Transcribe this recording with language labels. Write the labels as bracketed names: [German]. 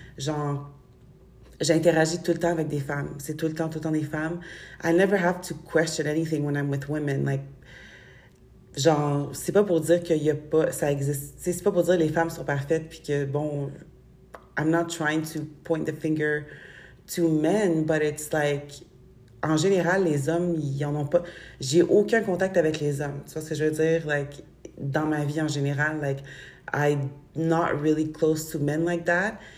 [French] Genre, j'interagis tout le temps avec des femmes. C'est tout le temps des femmes. [English] I never have to question anything when I'm with women. [French] Like, genre, c'est pas pour dire qu'il y a pas, ça existe. Tu sais, c'est pas pour dire les femmes sont parfaites, puis que bon. [English] I'm not trying to point the finger to men, but it's like, [French] en général, les hommes, ils en ont pas. J'ai aucun contact avec les hommes. Tu vois ce que je veux dire? Like, dans ma vie en général, like, [English] I'm not really close to men like that.